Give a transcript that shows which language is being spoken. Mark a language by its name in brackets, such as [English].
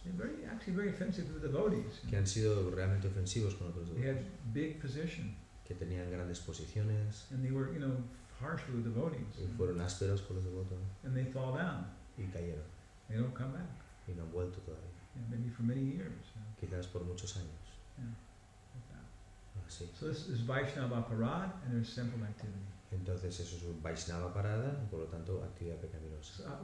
[English] They're very, actually very offensive to the devotees. [Spanish] Que han sido realmente ofensivos con otros devotos. [English] They had big position. [Spanish] Que tenían grandes posiciones. [English] And they were, you know, harsh with the devotees. [Spanish] Y fueron ásperos con los devotos. [English] And they fall down. [Spanish] Y cayeron. [English] They don't come back. [Spanish] Y no han vuelto todavía. [English] Yeah, maybe for many years. Yeah. [Spanish] Quizás por muchos años. [English] Yeah. [Spanish] Así. [English] So this is Vaishnava Parad and there's simple activity. [Spanish] Entonces eso es un Vaishnava parada, por lo tanto actividad pecaminosa.